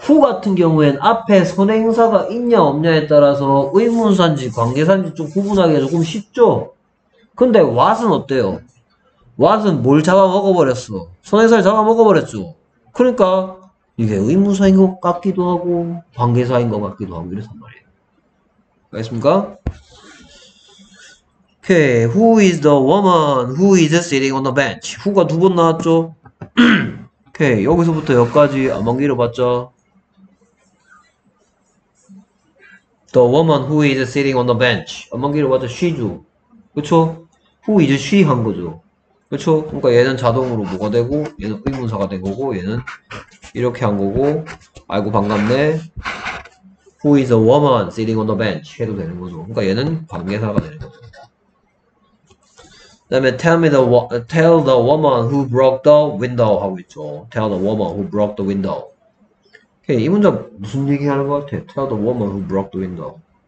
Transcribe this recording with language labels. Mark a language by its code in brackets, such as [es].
[ko] who 같은 경우엔 앞에 선행사가 있냐 없냐에 따라서 의문사인지 관계사인지 좀 구분하기가 조금 쉽죠? 근데 what은 어때요? what은 뭘 잡아먹어버렸어? 선행사를 잡아먹어버렸죠? 그러니까 이게 의문사인 것 같기도 하고 관계사인 것 같기도 하고 이랬단 말이에요. 알겠습니까? [en] Okay. Who is the woman who is sitting on the bench? [ko] Who가 두번 나왔죠? Okay. 여기서부터 여기까지 안만 길어봤자 [en] The woman who is sitting on the bench. [ko] 안만 길어봤자 she죠. 그쵸? [en] Who is she [ko] 한 거죠. 그렇죠? 그러니까 얘는 자동으로 뭐가 되고, 얘는 의문사가 된 거고, 얘는 이렇게 한 거고, 아이고 반갑네. [en] Who is a woman sitting on the bench? [ko] 해도 되는 거죠. 그러니까 얘는 관계사가 되는 거죠. 그다음에 [en] tell the woman who broke the window [ko] 하고 있죠. [en] Tell the woman who broke the window. [ko] 오케이, 이 문장 무슨 얘기하는 것 같아? [en] Tell the woman who broke the window.